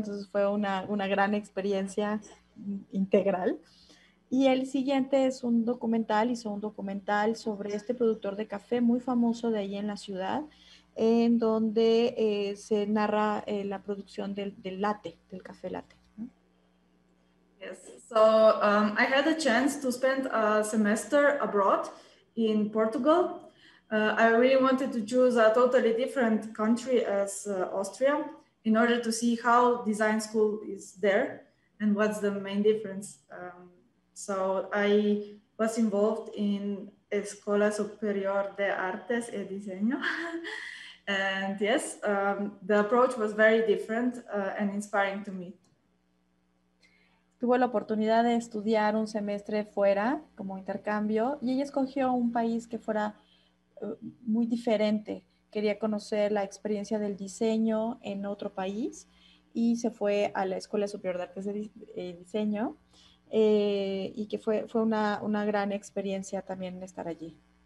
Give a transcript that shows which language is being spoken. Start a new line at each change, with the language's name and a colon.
Spanish: Entonces fue una gran experiencia integral. Y el siguiente es un documental, hizo un documental sobre este productor de café muy famoso de ahí en la ciudad, en donde se narra la producción del latte, del café latte.
English: Yes, so I had a chance to spend a semester abroad in Portugal. I really wanted to choose a totally different country as Austria in order to see how design school is there and what's the main difference. So I was involved in Escuela Superior de Artes y Diseño. And yes, the approach was very different and inspiring to me.
Spanish: Tuvo la oportunidad de estudiar un semestre fuera, como intercambio, y ella escogió un país que fuera muy diferente. Quería conocer la experiencia del diseño en otro país y se fue a la Escuela Superior de Artes de Diseño y que fue una gran experiencia también estar allí.